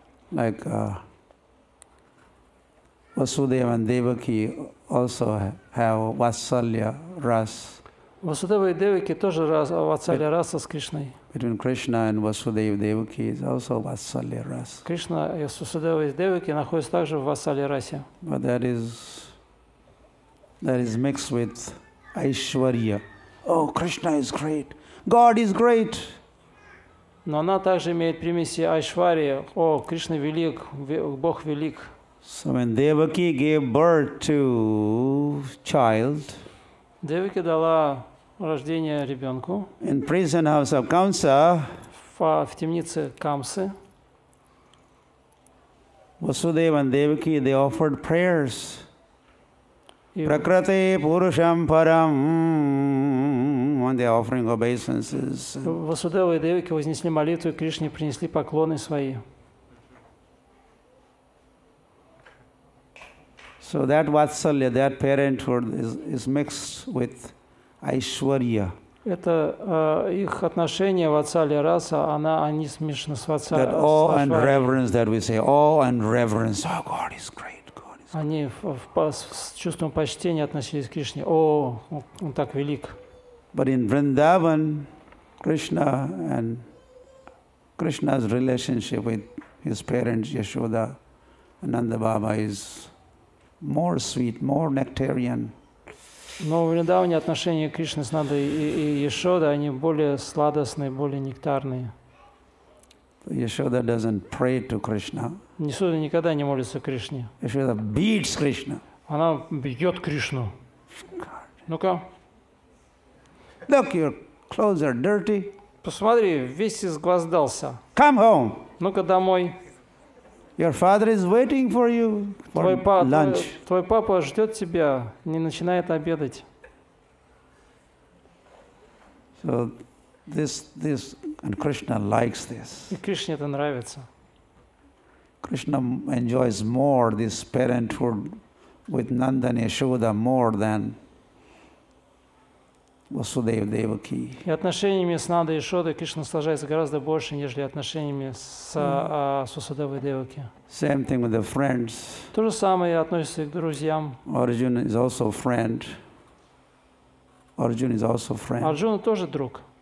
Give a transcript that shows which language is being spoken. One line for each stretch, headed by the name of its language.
English: Like Vasudeva and Devaki also have Vatsalya ras.
Russian: Васудева и Девики тоже Ватсалья раса с Кришной.
English: Between Krishna and Vasudeva Devaki is also Ватсалья рас.
Russian: Кришна и Васудева и Девики находятся также в Ватсалья расе.
English: But that is mixed with Aishwarya. Oh, Krishna is great. God is great.
Russian: Но она также имеет примеси Айшвария. О, Кришна велик, Бог велик.
English: So when Devaki gave birth to child,
Russian: Devaki дала рождение ребенку.
English: In prison house of Kamsa,
Russian: в темнице Камсы.
English: Vasudeva and Devaki, they offered prayers.
Sanskrit: Prakrate purusham param,
English: when they are offering obeisances.
Russian: Vasudeva and Devaki вознесли молитву Кришне, принесли поклоны свои.
English: So that Vatsalya, that parenthood is mixed with Aishwarya.
Russian: Это их отношение Ватсалья раса, она они смешаны с Ватсалья.
English: That awe and reverence that we say, awe and reverence. Oh, God is great. God is great.
Russian: Они с чувством почтения относились к Кришне. О, он так велик.
English: But in Vrindavan, Krishna and Krishna's relationship with his parents Yashoda and Nanda Baba is more sweet, more nectarian.
Russian: Но в Вриндаване отношения Кришны с Нандой и Яшодой, они более сладостные, более нектарные.
English: Яшода doesn't pray to Krishna.
Russian: Яшода никогда не молится Кришне.
English: Яшода beats Krishna.
Russian: Она бьет Кришну. Ну-ка.
English: Look, your clothes are dirty.
Russian: Посмотри, весь изгвоздался.
English: Come home.
Russian: Ну-ка домой.
English: Your father is waiting for you for lunch.
Russian: Твой папа ждет тебя, не начинает обедать.
English: So this and Krishna likes this.
Russian: И Кришне это нравится.
English: Krishna enjoys more this parenthood with Nanda and Yashoda more than Vasudeva and Devaki.
Russian: И отношениями с Нандой и Яшодой Кришна наслаждается гораздо больше, нежели отношениями с Васудевой и Девакой.
English: Same thing with the friends.
Russian: То же самое относится и к друзьям.
English: Arjuna is also a friend. Arjuna is also a friend.
Russian: Арджуна тоже друг.